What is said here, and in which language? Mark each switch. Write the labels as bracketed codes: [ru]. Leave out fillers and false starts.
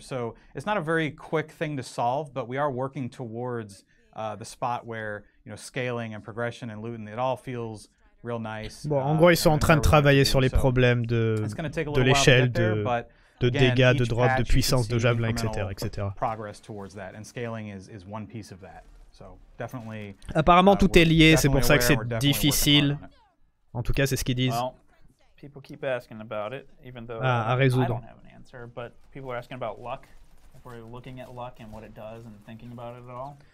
[en] So it's not a very quick thing to solve, but we are working towards the spot where you know scaling and progression and looting, it all feels real nice. [fr] Bon, en gros, ils sont en train de travailler sur les problèmes de l'échelle de dégâts, de drop, de puissance, de javelin, etc. [en] Progress towards that, and scaling is one piece of that. So definitely. [fr] Apparemment, tout est lié. C'est pour ça que c'est difficile. En tout cas, c'est ce qu'ils disent. [en] People keep asking about it, even though I don't have an answer. But people are asking about luck. If we're looking at luck and what it does and thinking about it at all.